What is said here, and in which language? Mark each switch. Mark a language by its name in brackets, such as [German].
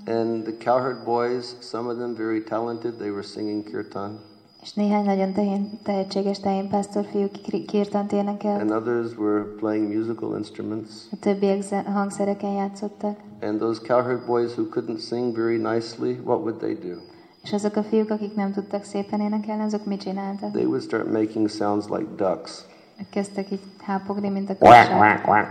[English] And the cowherd boys, some of them very talented, they were singing kirtan. [Hungarian] És néhány nagyon tehetséges tehénpásztor fiú kirtant énekelt. [English] And others were playing musical instruments. [Hungarian] A többiek hangszereken játszottak. [English] And those cowherd boys who couldn't sing very nicely, what would they do? [Hungarian] És azok a fiúk, akik nem tudtak szépen énekelni, azok mit csináltak? [English] They would start making sounds like ducks. [Hungarian] Kezdtek így hápogni, mint a kacsák.